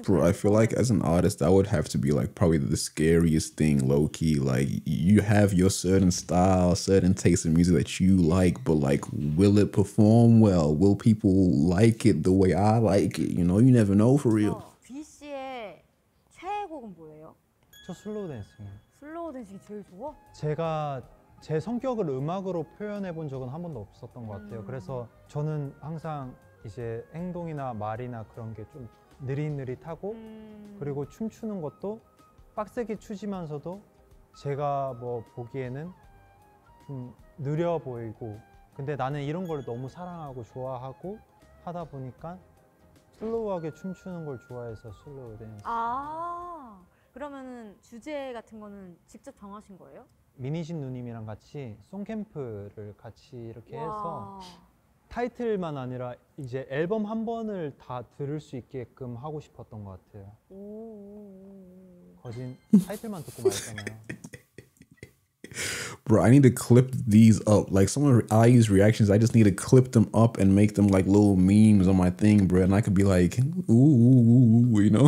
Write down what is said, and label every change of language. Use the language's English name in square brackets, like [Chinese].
[English] Bro, I feel like as an artist, that would have to be like probably the scariest thing, low key. Like you have your certain style, certain taste in music that you like, but like, will it perform well? Will people like it the way I like it? You know, you never know for real. [Korean] B씨의 최애 곡은 뭐예요? 저 슬로우 댄싱. 슬로우 댄싱이 제일 좋아? 제가 제 성격을 음악으로 표현해 본 적은 한 번도 없었던 것 같아요. 그래서 저는 항상 이제 행동이나 말이나 그런 게 좀 느릿느릿하고 그리고 춤추는 것도 빡세게 추지만서도 제가 뭐 보기에는 좀 느려 보이고 근데 나는 이런 걸 너무 사랑하고 좋아하고 하다 보니까 슬로우하게 춤추는 걸 좋아해서 슬로우 댄스. 아, 그러면은 주제 같은 거는 직접 정하신 거예요? 미니신 누님이랑 같이 송캠프를 같이 이렇게 와. 해서 타이틀만 아니라 이제 앨범 한 번을 다 들을 수 있게끔 하고 싶었던 것 같아요. 오. 거진 타이틀만 듣고 말했잖아요. [English] Bro, I need to clip these up. Like some of IU's reactions, I just need to clip them up and make them like little memes on my thing, bro. And I could be like, ooh, ooh, ooh, you know?